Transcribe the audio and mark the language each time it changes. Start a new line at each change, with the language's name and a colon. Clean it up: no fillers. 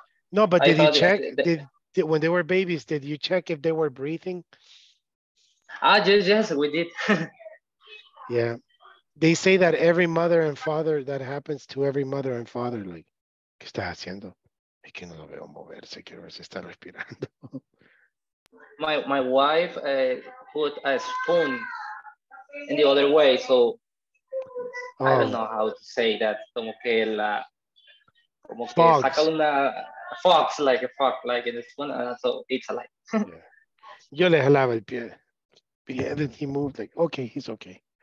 English: No, but did you check? Did when they were babies, did you check if they were breathing? Yes, we did. Yeah. They say that every mother and father, that happens to every mother and father, like,
Spanish: ¿qué estás haciendo? Es que no lo veo moverse, quiero ver si está respirando.
English: My wife put a spoon in the other way, so... I don't know how to say that.
Spanish: Como que saca una
English: fox, like a fox, like in this one, so it's alive. Yeah.
Spanish: Yo le jalaba el pie.
English: And he moved like, okay, he's okay.